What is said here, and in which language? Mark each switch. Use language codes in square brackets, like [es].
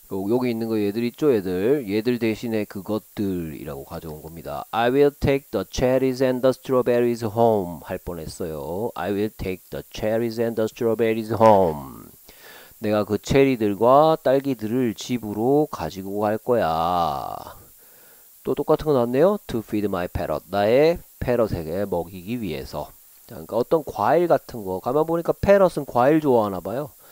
[ko] 여기 있는 거 얘들 있죠, 얘들. 얘들 대신에 그것들이라고 가져온 겁니다. [en] I will take the cherries and the strawberries home [ko] 할 뻔했어요. [en] I will take the cherries and the strawberries home. [ko] 내가 그 체리들과 딸기들을 집으로 가지고 갈 거야. 또 똑같은 거 나왔네요. [en] To feed my parrot. [ko] 나의 parrot에게 먹이기 위해서. 그러니까 어떤 과일 같은 거 가만 보니까 패럿은 과일 좋아하나 봐요.